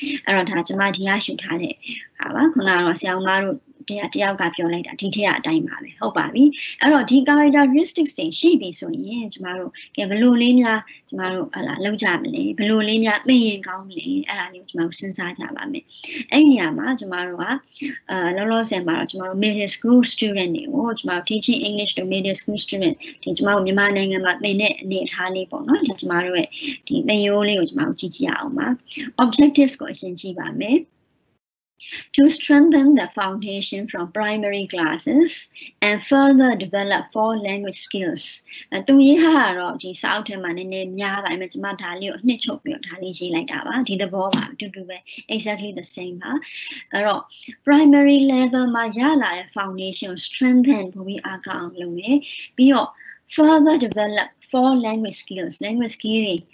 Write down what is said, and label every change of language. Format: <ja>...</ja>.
<my>အဲ့တော့ဒါကျမဒီကရှုထားတဲ့ဟာပါခင်ဗျားတို့ဆရာမတို့တရားတယောက်ကပြောလိုက်တာဒီထက်အတိုင်းပါပဲဟုတ်ပါပြီအဲ့တော့ဒီ characteristics တင်ရှိပြီဆိုရင်ကျမတို့ကဲဘလို့လေးများကျမတို့ဟာလာလောက်ကြမလဲဘလို့လေးများသိရင်ကောင်းမလဲအဲ့ဒါလေးကိုကျမတို့စဉ်းစားကြပါမယ်အဲ့ဒီနေရာမှာကျမတို့က လောလောဆယ်မှာတော့ကျမတို့ middle school student တွေကိုကျမတို့</my> <en>teaching english to middle school student</en> <my>ဒီကျမတို့မြန်မာနိုင်ငံမှာသင်တဲ့အနေအထားလေးပေါ့နော်ဒါကျမတို့ရဲ့ဒီသင်ရိုးလေးကိုကျမတို့ကြည့်ကြအောင်ပါ objectives ကိုအရင်ကြည့်ပါမယ်</my> <en>to strengthen the foundation from primary classes and further develop four language skills.</en> <my>သူရေးဟာတော့ဒီစာအုပ်ထဲမှာနည်းနည်းများပါတယ်။ကျွန်မဒါလေးကိုနှစ်ချုပ်ပြောထားလေးရေးလိုက်တာပါ။ဒီသဘောပါအတူတူပဲ</my> <en>exactly the same</en> <my>ပါ။အဲ့တော့ primary level မှာရလာတဲ့ foundation strengthen ဖို့ပြီးအကောင်လုပ်မယ်။ပြီးတော့</my> <en>further develop four language skills language skill</en>